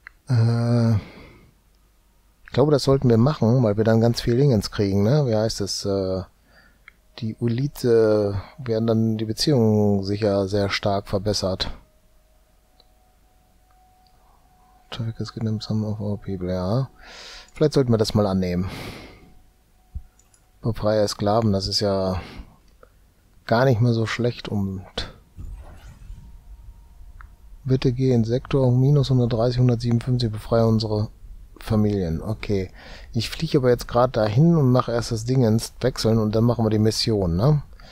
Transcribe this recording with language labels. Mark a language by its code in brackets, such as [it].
[de] Ich glaube, das sollten wir machen, weil wir dann ganz viel Dingens kriegen, ne? Wie heißt das? Die Ulite werden dann die Beziehungen sicher sehr stark verbessert. [en] Track is getting some of our people, ja. [de] Vielleicht sollten wir das mal annehmen. Aber freie Sklaven, das ist ja gar nicht mehr so schlecht. Und bitte geh in Sektor minus 130, 157, befreie unsere Familien. Okay, ich fliege aber jetzt gerade dahin und mache erst das Ding ins Wechseln und dann machen wir die Mission, ne?